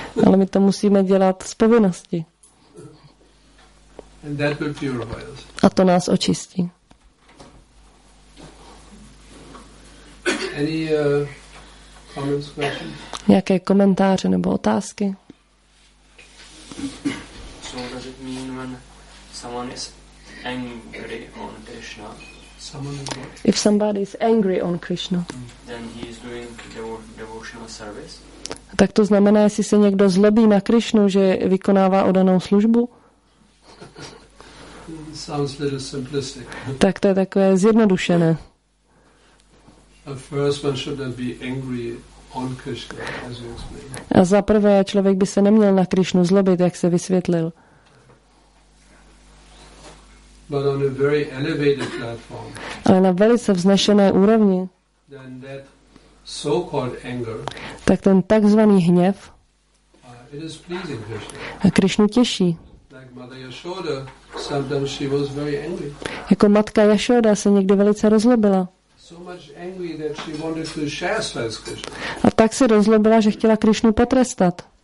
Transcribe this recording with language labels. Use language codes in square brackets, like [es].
[cs] Ale my to musíme dělat z povinnosti. [en] And that will purify us. [cs] A to nás očistí. [en] Any comments, questions? [cs] Nějaké komentáře nebo otázky? [en] So does it mean when someone is angry on Krishna? Someone is what? If somebody is angry on Krishna, then he is doing devotional service. [cs] Tak to znamená, jestli se někdo zlobí na Krishnu, že vykonává odanou službu? [en] Sounds a little simplistic. [cs] Tak to je takové zjednodušené. [en] First one should not be angry on Krishna, as you explained. [cs] A za prvé člověk by se neměl na Krishnu zlobit, jak se vysvětlil. [en] But on a very elevated platform. [cs] Ale na velice vznešené úrovni. [en] Then that so-called anger. [cs] Tak ten takzvaný hněv. [en] It is pleasing Krishna. [cs] A Krishnu těší. [en] Like Mother Yashoda. Sometimes she was very angry. [cs] Jako matka Yashoda se někdy velice rozlobila. [en] So much angry that she wanted to chastise Krishna. [cs] A tak se rozlobila, že chtěla Krishnu potrestat.